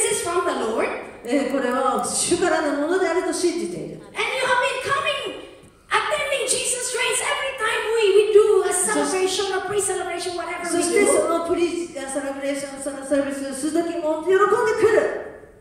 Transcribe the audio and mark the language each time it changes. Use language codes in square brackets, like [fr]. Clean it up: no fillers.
[ja] 主からのものであると信じている。 [en] And you have been coming, attending Jesus race every time we do a celebration, a pre-celebration, whatever we do. [ja] そしてそのプリセレブレーション、そのサービスをするときも喜んでくる。